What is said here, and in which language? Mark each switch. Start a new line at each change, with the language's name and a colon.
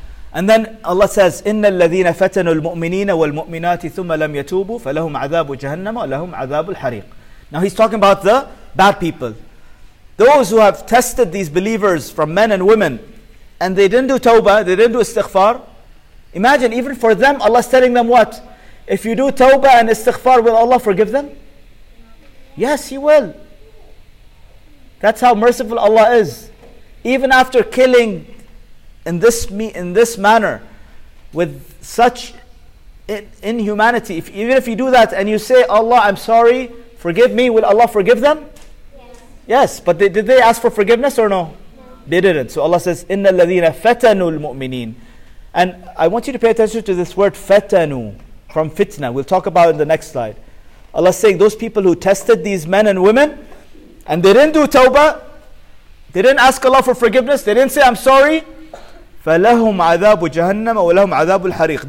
English: And then Allah says,
Arabic: إِنَّ الَّذِينَ فَتَنُوا الْمُؤْمِنِينَ وَالْمُؤْمِنَاتِ ثُمَّ لَمْ يَتُوبُوا فَلَهُمْ عَذَابُ جَهَنَّمَ وَلَهُمْ عَذَابُ الْحَرِيقِ.
English: Now he's talking about the bad people. Those who have tested these believers from men and women, and they didn't do tawbah, they didn't do istighfar. Imagine, even for them, Allah's telling them what? If you do tawbah and istighfar, will Allah forgive them? Yes, He will. That's how merciful Allah is. Even after killing in this manner, with such inhumanity, even if you do that and you say, Allah, I'm sorry, forgive me, will Allah forgive them? Yes, but did they ask for forgiveness or no? No. They didn't. So Allah says,
Arabic: إِنَّ الَّذِينَ فَتَنُوا الْمُؤْمِنِينَ.
English: And I want you to pay attention to this word, فَتَنُوا, from fitna. We'll talk about it in the next slide. Allah is saying, those people who tested these men and women, and they didn't do tawbah, they didn't ask Allah for forgiveness, they didn't say, I'm sorry,
Arabic: فَلَهُمْ عَذَابُ جَهَنَّمَ وَلَهُمْ عَذَابُ الْحَرِيقِ.